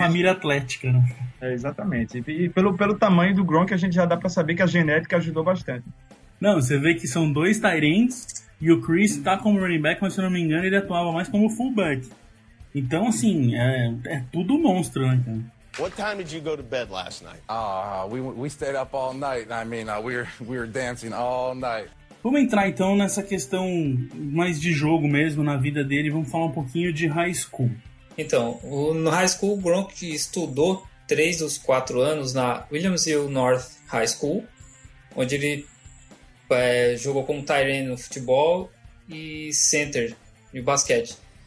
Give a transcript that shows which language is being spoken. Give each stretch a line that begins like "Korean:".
Portuguese: Família atlética, né? Exatamente. E pelo tamanho do Gronk, a gente já dá para saber que a genética ajudou bastante. Não, você vê que são 2 tight ends, e o Chris tá como running back, mas se eu não me engano, ele atuava mais como fullback. Então, assim, é tudo monstro, né, cara?
English: What time did you go to bed last night? We stayed up all night. I mean, we were dancing all night.
Portuguese: Vamos entrar então nessa questão mais de jogo mesmo, na vida dele. Vamos falar um pouquinho de high school. Então, no high school, o Gronk estudou 3 dos 4 anos na Williams Hill North High School, onde ele jogou como tight end no futebol e center no basquete.